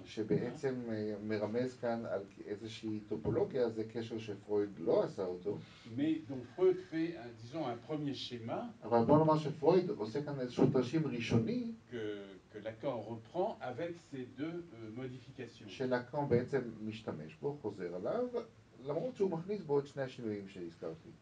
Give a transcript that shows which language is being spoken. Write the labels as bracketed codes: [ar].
[he] שבעצם מרמז כאן על איזושהי טופולוגיה, זה קשר שפרויד לא עשה אותו. [fr] Mais donc Freud fait, disons, un premier schéma. [he] אבל בוא נאמר שפרויד עושה כאן איזשהו תרשים ראשוני. [fr] Que Lacan reprend avec ces deux modifications. [he] שלקן בעצם משתמש בו, חוזר עליו, למרות שהוא מכניס בו את שני השינויים שהזכרתי.